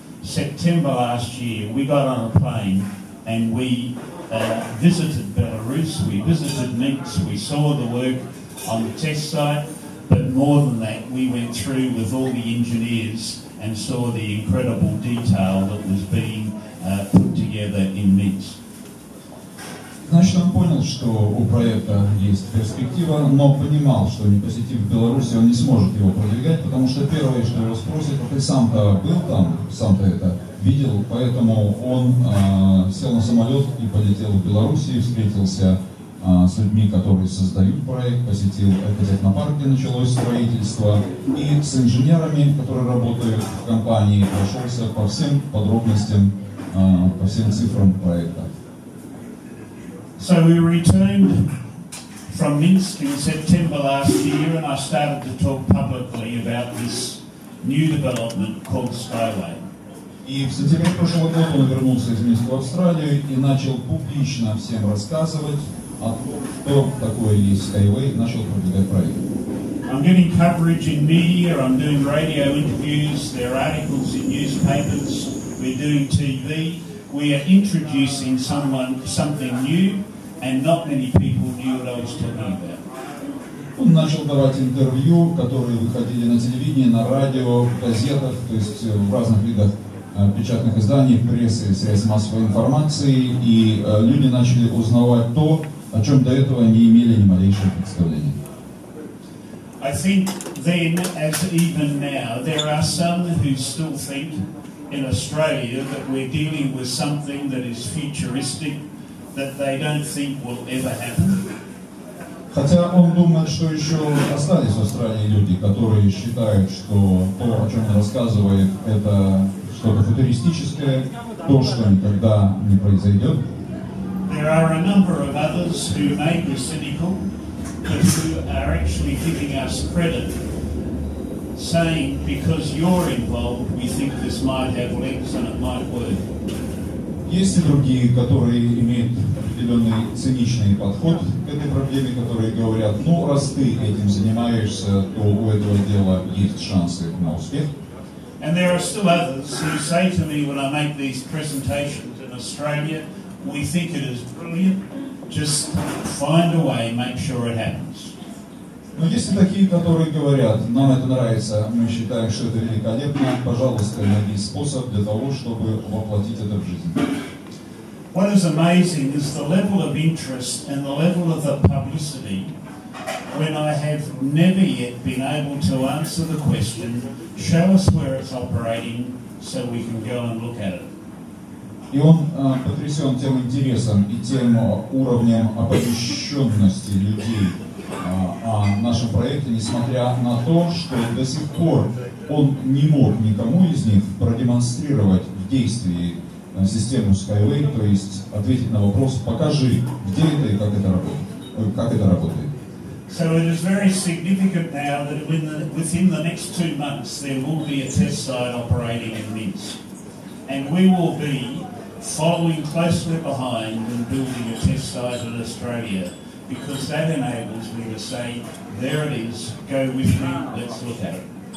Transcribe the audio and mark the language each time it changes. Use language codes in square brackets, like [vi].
[en] September last year, we got on a plane and we visited Belarus, we visited Minsk, we saw the work on the test site. But more than that, we went through with all the engineers and saw the incredible detail that was being put together in Minsk. [ru] Значит, он понял, что у проекта есть перспектива, но понимал, что не посетив Беларусь, он не сможет его продвигать, потому что первое, что его спросят, ты сам-то был там, сам-то это видел, поэтому он сел на самолет и полетел в Беларусь и встретился с людьми, которые создают проект, посетил Экотехнопарк, где началось строительство, и с инженерами, которые работают в компании, прошелся по всем подробностям, по всем цифрам проекта. [en] So we returned from Minsk in September last year, and I started to talk publicly about this new development called Skyway. [ru] И в сентябре прошлого года он вернулся из Минска в Австралию и начал публично всем рассказывать, [en] I'm getting coverage in media, I'm doing radio interviews, there are articles in newspapers, we're doing TV, we are introducing something new, and not many people knew what I was talking about. [ru] Он начал давать интервью, которые выходили на телевидении, на радио, в газетах, то есть в разных видах печатных изданий, прессы, средств массовой информации, и люди начали узнавать то, о чем до этого не имели ни малейшего представления. [en] I think then, as even now, there are some who still think in Australia that we're dealing with something that is futuristic, that they don't think will ever happen. [ru] Хотя он думает, что еще остались в Австралии люди, которые считают, что то, о чем он рассказывает, это что-то футуристическое, то, что никогда не произойдет. [en] There are a number of others who may be cynical, but who are actually giving us credit, saying, because you're involved, we think this might have legs and it might work. [ru] Есть и другие, которые имеют определенный циничный подход к этой проблеме, которые говорят, ну, раз ты этим занимаешься, то у этого дела есть шансы на успех. [en] And there are still others who say to me when I make these presentations in Australia, we think it is brilliant, just find a way, make sure it happens. [ru] Но есть и такие, которые говорят, нам это нравится, мы считаем, что это великолепно, пожалуйста, найди способ для того, чтобы воплотить это в жизнь. [en] What is amazing is the level of interest and the level of the publicity when I have never yet been able to answer the question, show us where it's operating so we can go and look at it. [ru] И он потрясен тем интересом и тем уровнем оповещенности людей о нашем проекте, несмотря на то, что до сих пор он не мог никому из них продемонстрировать в действии систему Skyway, то есть ответить на вопрос, покажи, где это и как это работает. [en] So it is very significant now that within the next 2 months there will be a test site operating in Minsk. And we will be following closely behind and building a test site in Australia. Because that enables me to say, there it is, go with me, let's look at it.